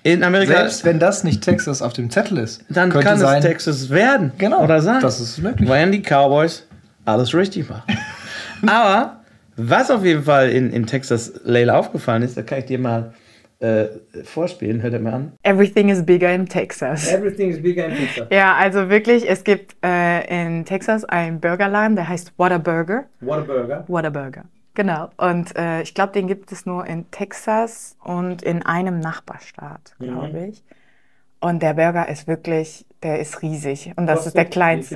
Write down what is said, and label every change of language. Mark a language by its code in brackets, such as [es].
[de] In Amerika. Selbst wenn das nicht Texas auf dem Zettel ist, dann kann es Texas werden. Genau. Oder sein. Das ist möglich. Weil die Cowboys alles richtig machen. Aber was auf jeden Fall in Texas Layla aufgefallen ist, da kann ich dir mal vorspielen, hört er mir an. [en] Everything is bigger in Texas. Everything is bigger in Texas. [de] Ja, also wirklich, es gibt in Texas einen Burgerladen, der heißt Whataburger. Whataburger. Genau. Und ich glaube, den gibt es nur in Texas und in einem Nachbarstaat, glaube ich. Und der Burger ist wirklich, der ist riesig. Und das ist der kleinste.